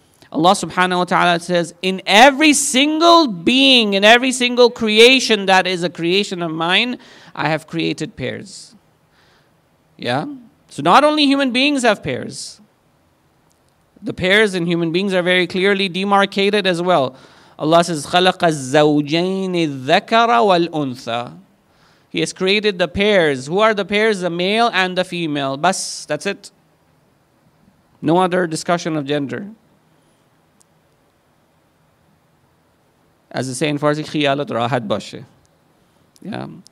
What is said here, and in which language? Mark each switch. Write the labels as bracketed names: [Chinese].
[English] Allah subhanahu wa ta'ala says, in every single being, in every single creation that is a creation of mine, I have created pairs. Yeah? So not only human beings have pairs. The pairs in human beings are very clearly demarcated as well. Allah says, [Arabic] خَلَقَ الزَّوْجَيْنِ الذَّكَرَ وَالْأُنْثَى. [English] He has created the pairs. Who are the pairs? The male and the female. Bas, that's it. No other discussion of gender. As they say in Farsi, [Persian] خِيَالَتْ رَاحَتْ بَشِ. [English] Yeah.